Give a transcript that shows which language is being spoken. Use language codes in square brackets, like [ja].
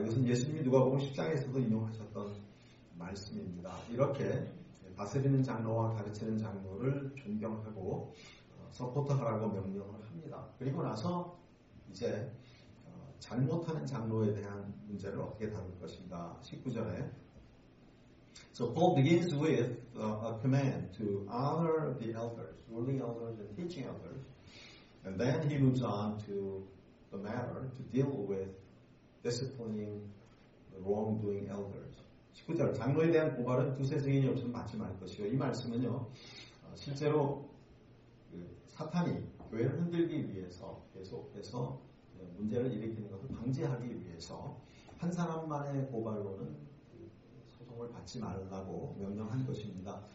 [ko] 이것은 예수님이 누가복음 10장에서도 인용하셨던 말씀입니다. 이렇게 다스리는 장로와 가르치는 장로를 존경하고 서포트하라고 명령을 합니다. 그리고 나서 이제 잘못하는 장로에 대한 문제를 어떻게 다룰 것인가. 19절에 [en] So Paul begins with a command to honor the elders, ruling elders and teaching elders. And then he moves on to the matter to deal with disciplining the wrongdoing elders. [ko] 19절, 장로에 대한 고발은 두세 증인이 없으면 받지 말 것이요. 이 말씀은요, 실제로 그 사탄이 교회를 흔들기 위해서 계속해서 문제를 일으키는 것을 방지하기 위해서 한 사람만의 고발로는 소송을 받지 말라고 명령한 것입니다.